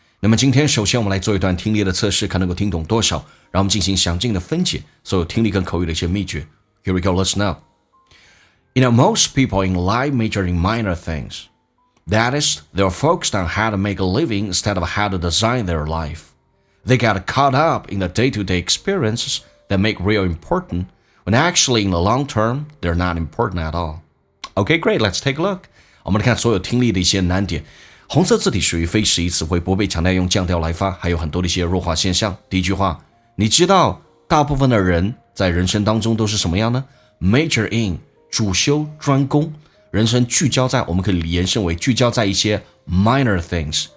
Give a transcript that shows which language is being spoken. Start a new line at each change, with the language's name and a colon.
Chinese: 那么今天首先我们来做一段听力的测试，看能够听懂多少，然后我们进行详尽的分解所有听力跟口语的一些秘诀。
English: Here we go, listen up. You know, most people in life major in minor things. That is, they're focused on how to make a living instead of how to design their life. They get caught up in the day-to-day experiences that make real importantWhen actually in the long term, they're not important at all. Okay, great, let's take a look.
Chinese: 我们来看所有听力的一些难点。红色字体属于非实义词汇，不被强调用降调来发，还有很多的一些弱化现象。第一句话，你知道大部分的人在人生当中都是什么样呢？
English: Major in,
Chinese: 主修专攻，人生聚焦在，我们可以延伸为聚焦在一些
English: minor things.